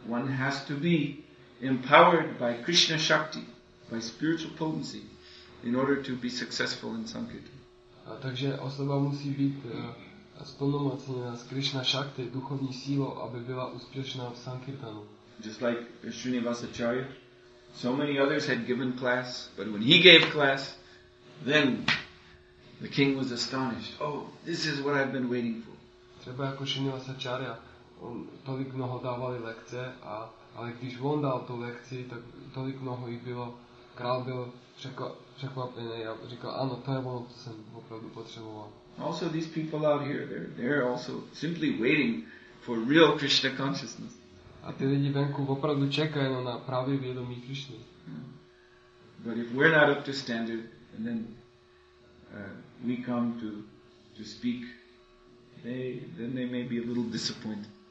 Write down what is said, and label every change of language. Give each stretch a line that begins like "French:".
English: One has to be empowered by Krishna Shakti, by spiritual potency, in order to be successful in Sankirtan.
Czech: Takže osoba musí být zplnomocněna z Krishna Shakti, duchovní sílou, aby byla úspěšná v Sankirtanu.
English: Just like Srinivasacharya, so many others had given class, but when he gave class, then the king was astonished. Oh, this is what I've been waiting for.
Czech: Třeba jako Srinivasacharya, on tolik mnoho dávali lekce, ale když on dal tu lekci, tak tolik mnoho jich bylo. Král byl překvapený a říkal, ano, to je ono, co jsem opravdu potřeboval.
English: Also these people out here, they're also simply waiting for real Krishna consciousness.
Czech: A ty lidi venku opravdu čekají na pravý vědomí Krishny.
English: But if we're not up to standard, and then we come to speak, then they may be a little disappointed.